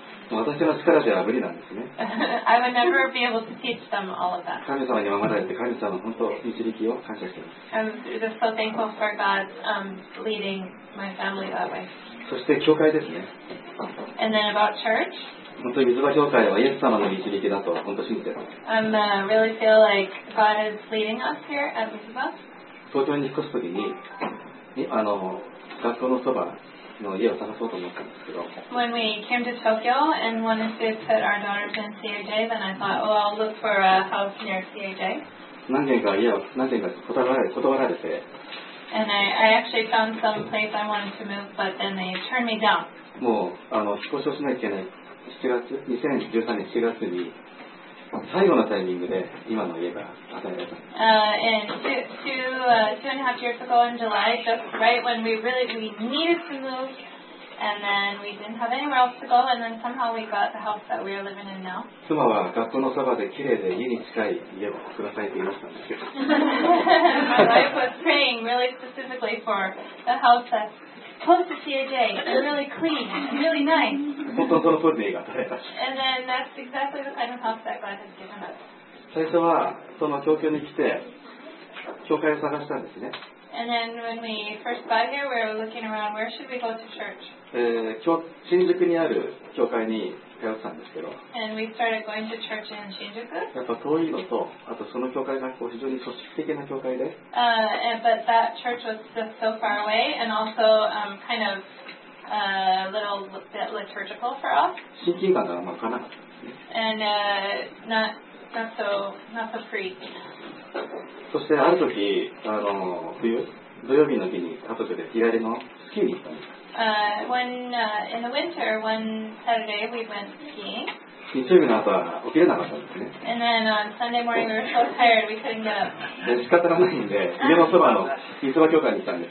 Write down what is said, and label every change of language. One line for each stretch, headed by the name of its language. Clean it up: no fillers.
Japanese: 私の力では無理なんですね。
English: I would never be able to teach them all of that.
Japanese: 神様に守られて、神様の本当に導きを感謝しています。
English: I'm just so thankful for God's leading my family that way.
Japanese: そして教会ですね。
English: And then about church.
Japanese: 本当に水場教会はイエス様の導きだと本当に信じています。
English: I'm really feel like God is leading us here at Mizuba.
Japanese: 東京に引っ越す時に、学校のそばの家を探そうと思ったんですけど。
English: When we came to Tokyo and wanted to put our daughters in CAJ, then I thought, well, I'll look for a house near CAJ.
Japanese: 何件か断られて。
English: And I actually found some place I wanted to move, but then they turned me down.
Japanese: もう引っ越しをしなきゃいけない2013年7月に最後のタイミングで今の家が与えられた。
English: Two and a half years ago in July, just right when we needed to move, and then we didn't have anywhere else to go, and then somehow we got the house that we are living in now.
Japanese: 妻は学校のそばで綺麗で家に近い家をくださいと言いましたんですけど。
English: My wife was praying really specifically for the house that's close to CAJ, and really clean, and really nice.
Japanese: 本当にその通りの家が取れたし。
English: And then that's exactly the kind of house that God has given us.
Japanese: 最初はその東京に来て、教会を探したんですね。
English: And then when we first got here, we were looking around, where should we go to church?
Japanese: 新宿にある教会に通ったんですけど。
English: And we started going to church in 新宿。
Japanese: やっぱ遠いのと、あとその教会がこう非常に組織的な教会で。
English: But that church was just so far away, and also kind of a little bit liturgical for us.
Japanese: 親近感があんまりかなかったんですね。
English: And not so free.
Japanese: そしてある時冬土曜日の日に家族で日帰りのスキーに行ったんです。
English: In the winter, one Saturday, we went skiing.
Japanese: 日曜日の後は起きれなかったんですね。
English: And then on Sunday morning we were so tired we couldn't get up.
Japanese: で仕方がないんで家のそばの磯場教会に行ったんです。